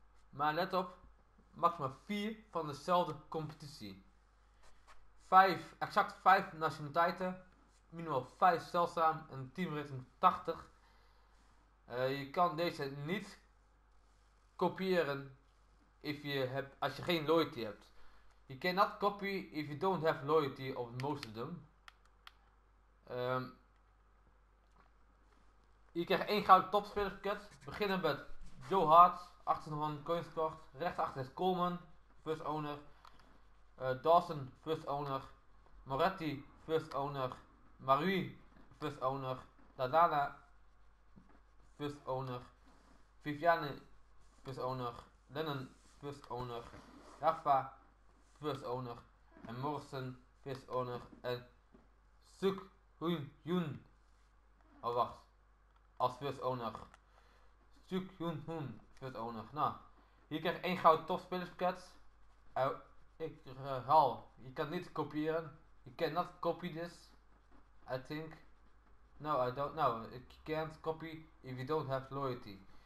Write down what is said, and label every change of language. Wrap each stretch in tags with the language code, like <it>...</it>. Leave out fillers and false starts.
<nl>Maar let op, maximaal 4 van dezelfde competitie. Exact 5 nationaliteiten, minimaal 5 zeldzaam en teamrating 80. Je kan deze niet kopiëren als je geen loyalty hebt.</nl> <en>You cannot copy if you don't have loyalty of most of them.</en> <nl>Je krijgt 1 gouden topspelerspakket. Beginnen met Joe Hart. 18 coins gekocht. Rechtsachter is Coleman, first owner.</nl> <en>Dawson, first owner. Moretti, first owner. Marui, first owner. Ladana, first owner. Viviane, first owner. Lennon, first owner. Rafa, first owner. En Morrison, first owner.</en> <nl>En Suk Hoon Hoon. Oh wacht. Als first owner. Suk Hoon Hoon. First owner. Nou, hier krijg je 1 gouden topspelerspakket. Ik herhaal, je kan niet kopiëren.</nl> <en>You cannot copy this. I think. No, I don't know. You can't copy if you don't have loyalty.</en>